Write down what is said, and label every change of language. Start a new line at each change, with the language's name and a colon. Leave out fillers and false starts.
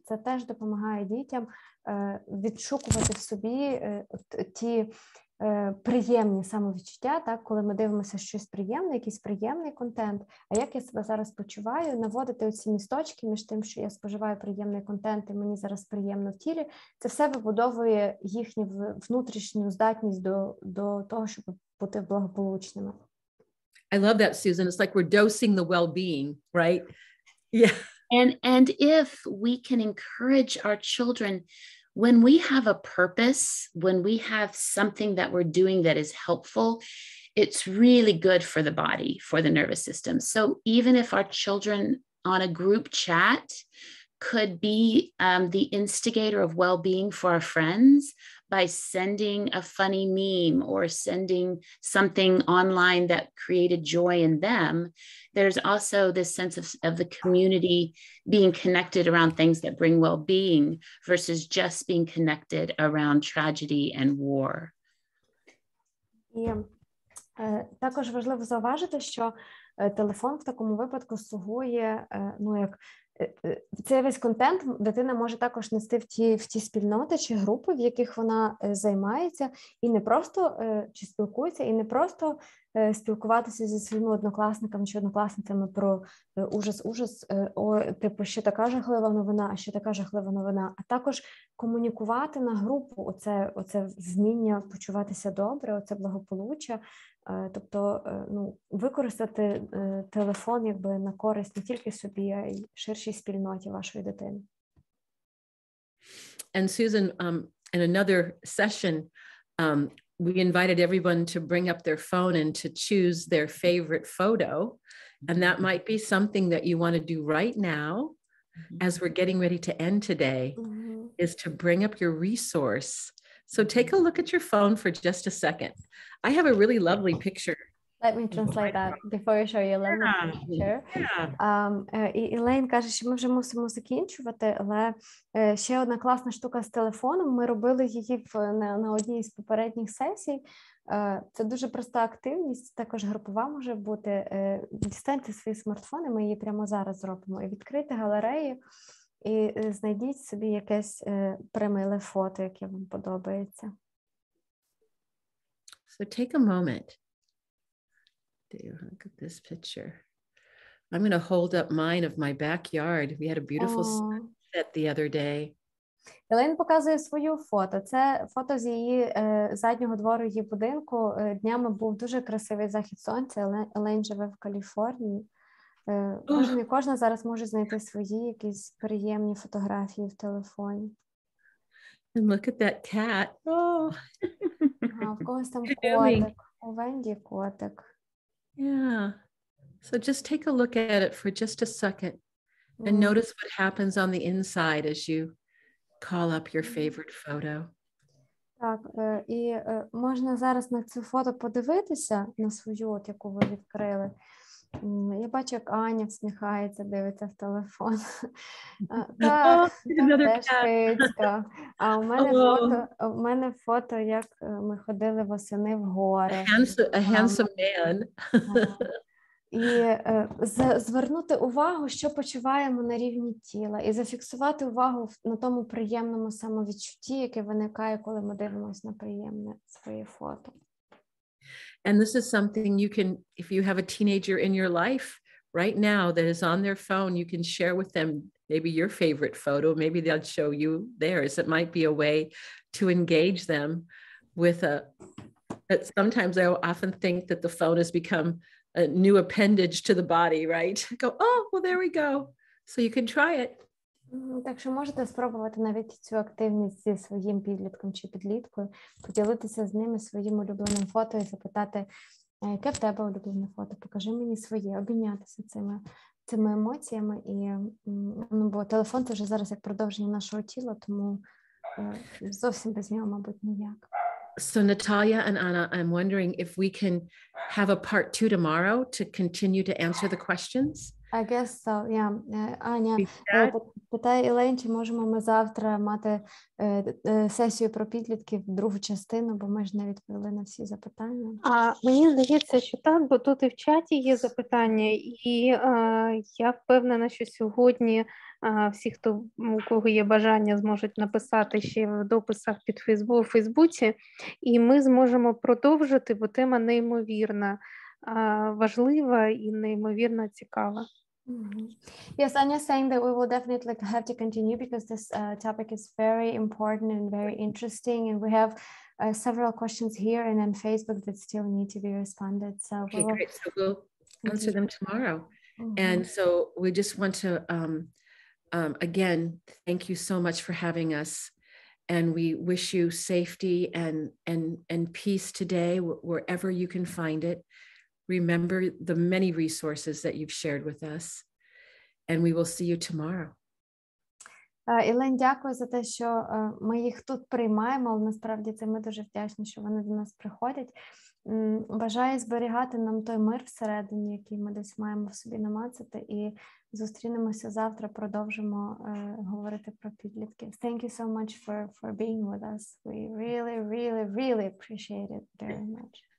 Ukrainian: Це теж допомагає дітям відшукувати в собі ті приємні самовідчуття, так, коли ми дивимося щось приємне, якийсь приємний контент. А як я себе зараз почуваю, наводити оці місточки між тим, що я споживаю приємний контент і мені зараз приємно в тілі, це все вибудовує їхню внутрішню здатність до того, щоб бути благополучними.
English: I love that, Susan. It's like we're dosing the well-being, right? Yeah. And if we can encourage our children, when we have a purpose, when we have something that we're doing that is helpful, it's really good for the body, for the nervous system. So even if our children on a group chat could be the instigator of well-being for our friends by sending a funny meme or sending something online that created joy in them, there's also this sense of the community being connected around things that bring well-being versus just being connected around tragedy and war.
Ukrainian: Також важливо зауважити, що телефон в такому випадку слугує, ну як цей весь контент дитина може також нести в ті спільноти чи групи, в яких вона займається, і не просто чи спілкується, і не просто спілкуватися зі своїми однокласниками чи однокласницями про ужас, типу, що така жахлива новина, а що така жахлива новина, а також комунікувати на групу оце вміння почуватися добре, оце благополуччя. Тобто, ну, використати телефон якби на користь не тільки собі, а й ширшій спільноті вашої дитини.
English: And Susan, in another session, we invited everyone to bring up their phone and to choose their favorite photo. And that might be something that you want to do right now, as we're getting ready to end today, is to bring up your resource. So take a look at your phone for just a second. I have a really lovely picture. Let me translate that before I show you a lovely picture. Yeah.
Ukrainian: Елейн каже, що ми вже мусимо закінчувати, але ще одна класна штука з телефоном. Ми робили її на одній з попередніх сесій. Це дуже проста активність, також групова може бути. Дістаньте свої смартфони, ми її прямо зараз зробимо. І відкрийте галерею. І знайдіть собі якесь примиле фото, яке вам подобається.
English: So take a moment. Look at this picture. I'm going to hold up mine of my backyard. We had a beautiful sunset the other day.
Ukrainian: Елен показує свою фото. Це фото з її заднього двору, її будинку. Днями був дуже красивий захід сонця. Елен живе в Каліфорнії. Кожна зараз може знайти свої якісь приємні фотографії в телефоні.
English: And look at that cat.
Ukrainian: А в когось там котик. У Венді котик.
English: Yeah. So just take a look at it for just a second and notice what happens on the inside as you call up your favorite photo.
Ukrainian: Так, і можна зараз на цю фото подивитися, на свою, от яку ви відкрили. Я бачу, як Аня всміхається, дивиться в телефон. А у мене фото, як ми ходили восени в гори.
English: A handsome man.
Ukrainian: І звернути увагу, що почуваємо на рівні тіла, і зафіксувати увагу на тому приємному самовідчутті, яке виникає, коли ми дивимося на приємне своє фото.
English: And this is something you can, if you have a teenager in your life, right now that is on their phone, you can share with them maybe your favorite photo. Maybe they'll show you theirs. It might be a way to engage them with but sometimes I often think that the phone has become a new appendage to the body, right? Go, oh, well, there we go. So you can try it.
Ukrainian: Так що можете спробувати навіть цю активність зі своїм підлітком чи підліткою, поділитися з ними своїм улюбленим фото і запитати, яке в тебе улюблене фото, покажи мені своє, обмінятися цими емоціями. І, ну, бо телефон – це вже зараз як продовження нашого тіла, тому зовсім без нього, мабуть, ніяк.
English: So Natalia and Anna, I'm wondering if we can have a part two tomorrow to continue to answer the questions? I guess so, yeah.
Ukrainian: Аня, питає Елен, чи можемо ми завтра мати сесію про підлітків, другу частину, бо ми ж не відповіли на всі запитання. А мені здається, що так, бо тут і в чаті є запитання, і я впевнена, що сьогодні всі, хто, у кого є бажання, зможуть написати ще в дописах під Фейсбуці, і ми зможемо продовжити, бо тема неймовірна. Важлива і неймовірно цікава.
English: Yes, Anya's saying that we will definitely have to continue because this topic is very important and very interesting, and we have several questions here and on Facebook that still need to be responded. So, okay, great. So we'll answer them tomorrow. Mm-hmm. And so we just want to again thank you so much for having us, and we wish you safety and peace today wherever you can find it. Remember the many resources that you've shared with us, and we will see you tomorrow.
Ukrainian: Елен, дякую за те, що ми їх тут приймаємо, але насправді це ми дуже вдячні, що вони до нас приходять. Бажаю зберігати нам той мир всередині, який ми десь маємо в собі намацати, і зустрінемося завтра, продовжимо говорити про підлітки.
English: Thank you so much for being with us. We really, really, really appreciate it very much.